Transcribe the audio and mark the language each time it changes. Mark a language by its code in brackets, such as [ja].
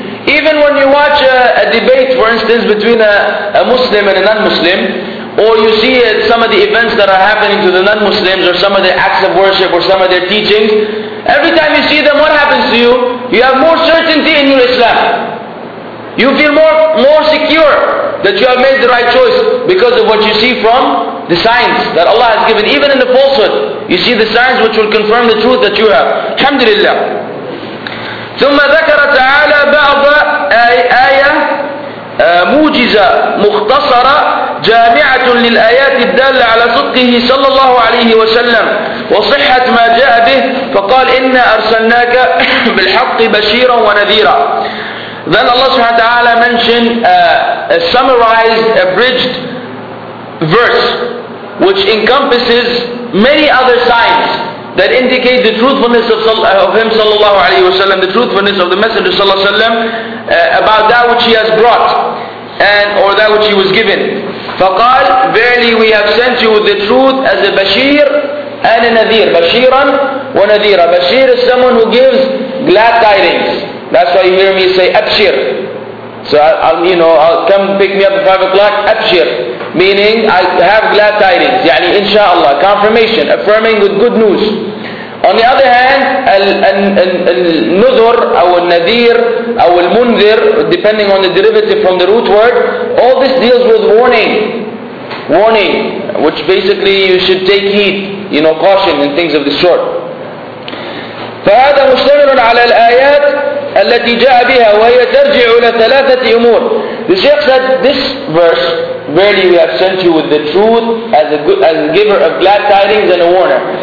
[en] Even when you watch a debate, for instance, between a Muslim and a non-Muslim, or you see some of the events that are happening to the non-Muslims, or some of the acts of worship, or some of their teachings, every time you see them, what happens to you? You have more certainty in your Islam. You feel more secure that you have made the right choice because of what you see from the signs that Allah has given. Even in the falsehood, you see the signs which will confirm the truth that you have. Alhamdulillah. [ar] ثم ذكر تعالى بعض آية موجزة مختصرة جامعة للآيات الدالة على صدقه صلى الله عليه وسلم وصحة ما جاء به، فقال إنا أرسلناك بالحق بشيرا ونذيرا. [en] Then Allah subhanahu wa ta'ala mentioned a summarized, abridged verse which encompasses many other signs that indicate the truthfulness of him sallallahu alayhi wa sallam, the truthfulness of the Messenger sallallahu alayhi wa sallam, about that which he has brought and or that which he was given. فقال, verily we have sent you the truth as a bashir and a nadir. Bashiran wa nadira. Bashir is someone who gives glad tidings. That's why you hear me say abshir. So I'll come pick me up at 5 o'clock, abshir. Meaning I have glad tidings, يعني inshallah, confirmation, affirming with good news. On the other hand, al-nudhur, al-nadhir, al-munzir, depending on the derivative from the root word, all this deals with warning. Warning, which basically you should take heed, you know, caution and things of this sort. [ar] فهذا مشتمل على الآيات التي جاء بها وهي ترجع إلى ثلاثة أمور. [en] The Shaykh said this verse, verily we have sent you with the truth as a giver of glad tidings and a warner.